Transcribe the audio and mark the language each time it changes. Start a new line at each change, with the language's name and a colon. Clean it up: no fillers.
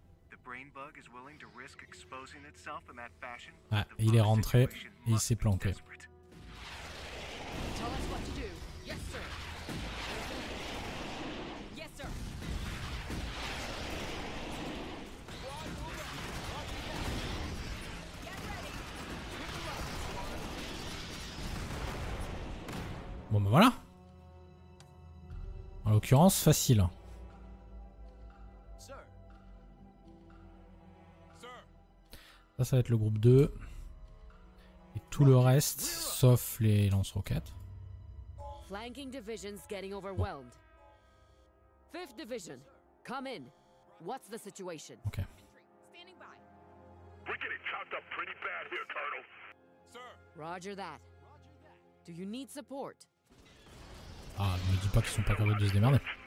English: The brain bug is willing to risk exposing itself in that fashion.
French: Ah, il est rentré et il s'est planqué.
English: Tell us what to do. Yes, sir. Yes, sir.
French: Bon ben voilà. En l'occurrence, facile. Ça, ça va être le groupe 2. Et tout le reste, sauf les lance-roquettes.
English: Flanking divisions getting overwhelmed. Fifth division, come in. What's the situation? Ok. We're getting chopped up pretty bad here, Colonel. Sir. Roger that. Do you need support?
French: Ah, ne me dis pas qu'ils sont pas capables de se démerder.